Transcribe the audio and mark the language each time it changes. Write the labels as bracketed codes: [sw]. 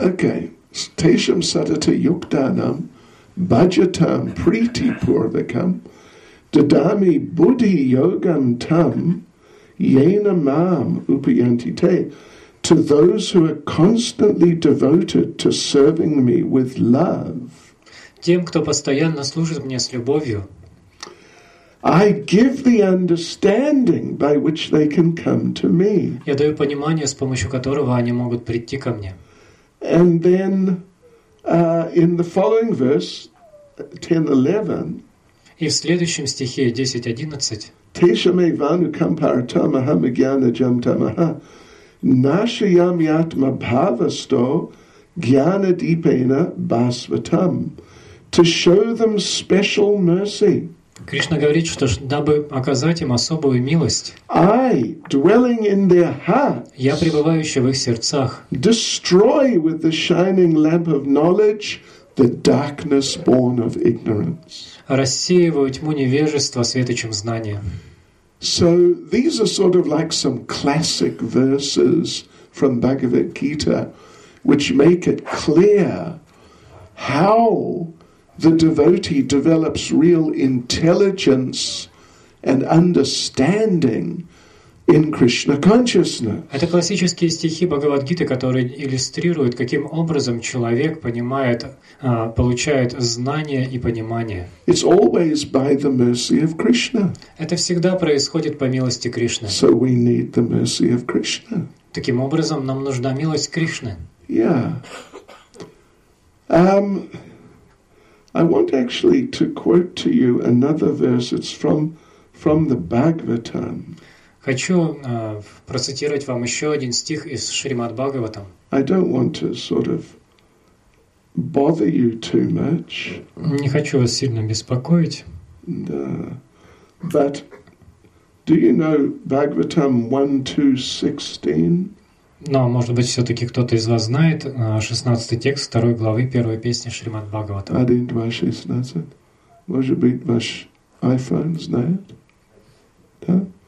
[en] Okay. [sa] Tesham satata yuktanam. Bhajatam priti purvakam Dadami buddhi yogam tam yena mam upayanti te. [en] To those who are constantly devoted to serving me with love. [ru] Тем, кто постоянно служит мне с любовью. [en] I give the understanding by which they can come to me. [ru] Я даю понимание, с помощью которого они могут прийти ко мне. [en] And then in the following verse 10:11. [ru] И в следующем стихе 10:11. [sa] Тешаме вану кампаратамаха магьяна джамтамаха. Нашиям ятма бхавасто гьяна дипена басватам. [en] To show them special mercy. [ru] Кришна говорит, что дабы оказать им особую милость, [en] I, dwelling in their hearts, [ru] я, пребывающий в их сердцах, [en] destroy with the shining lamp of knowledge the darkness born of ignorance. [ru] Рассеиваю тьму невежества светочем знания. [en] So these are sort of like some classic verses from Bhagavad Gita, which make it clear how the devotee develops real intelligence and understanding in Krishna consciousness. [ru] Это классические стихи Бхагавад-гиты, которые иллюстрируют, каким образом человек понимает, получает знание и понимание. [en] It's always by the mercy of Krishna. [ru] Это всегда происходит по милости Кришны. [en] So we need the mercy of Krishna. [ru] Таким образом, нам нужна милость Кришны. [en] Yeah. I want actually to quote to you another verse. It's from the Bhagavatam. [ru] Хочу процитировать вам еще один стих из Шримад Бхагаватам. [en] I don't want to sort of bother you too much. [ru] Не хочу вас сильно беспокоить. Да. [en] But do you know Bhagavatam 1:2:16? [ru] Но, может быть, все-таки кто-то из вас знает 16 текст 2 главы 1 песни Шримад Бхагавата. 1:2:16. Может быть, ваш iPhone знает? Да?